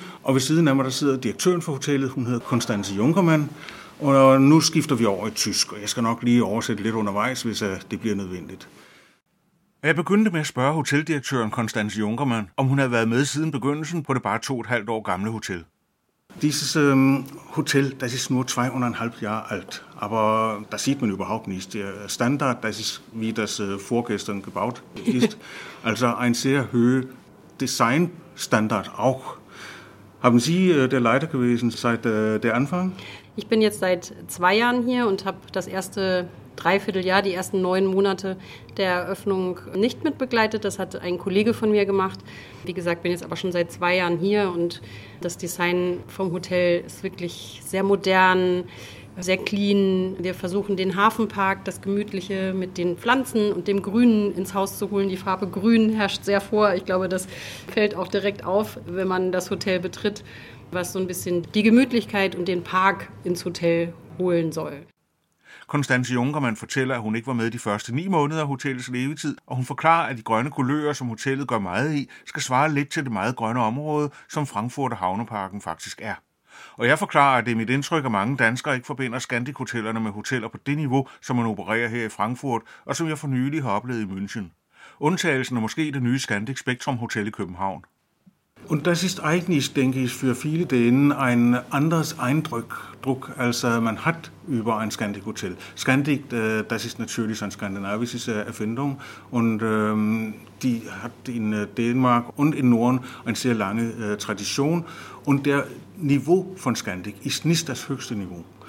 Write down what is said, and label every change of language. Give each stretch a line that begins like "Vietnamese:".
Danish: Og ved siden af mig, der sidder direktøren for hotellet, hun hedder Constanze Junkermann. Og nu skifter vi over i tysk, og jeg skal nok lige oversætte lidt undervejs, hvis det bliver nødvendigt. Jeg begyndte med at spørge hoteldirektøren Constanze Junkermann, om hun havde været med siden begyndelsen på det bare 2,5 år gamle hotel.
German: Dieses Hotel, das ist nur 2,5 Jahre alt, aber das sieht man überhaupt nicht. Der Standard, das ist wie das vorgestern gebaut ist, also ein sehr hoher Designstandard auch. Haben Sie der Leiter gewesen seit der Anfang? Ich bin jetzt seit 2 Jahren hier und habe das erste Dreivierteljahr, die ersten 9 Monate der Eröffnung nicht mitbegleitet. Das hat ein Kollege von mir gemacht. Wie gesagt, bin jetzt aber schon seit 2 Jahren hier und das Design vom Hotel ist wirklich sehr modern, sehr clean. Wir versuchen den Hafenpark, das Gemütliche mit den Pflanzen und dem Grünen ins Haus zu holen. Die Farbe Grün herrscht sehr vor. Ich glaube, das fällt auch direkt auf, wenn man das Hotel betritt, was so ein bisschen die Gemütlichkeit und den Park ins Hotel holen soll.
Danish: Constanze Junkermann fortæller, at hun ikke var med de første 9 måneder af hotellets levetid, og hun forklarer, at de grønne kulører, som hotellet gør meget i, skal svare lidt til det meget grønne område, som Frankfurt og Havneparken faktisk er. Og jeg forklarer, at det er mit indtryk, at mange danskere ikke forbinder Scandic-hotellerne med hoteller på det niveau, som man opererer her i Frankfurt, og som jeg for nylig har oplevet i München. Undtagelsen er måske det nye Scandic Spectrum Hotel i København.
German: Und das ist eigentlich, denke ich, für viele Dänen ein anderes Eindruck, als man hat über ein Scandic-Hotel. Scandic, das ist natürlich ein skandinavisches Erfindung und die hat in Dänemark und in Norden eine sehr lange Tradition und der Niveau von Scandic ist nicht das höchste Niveau.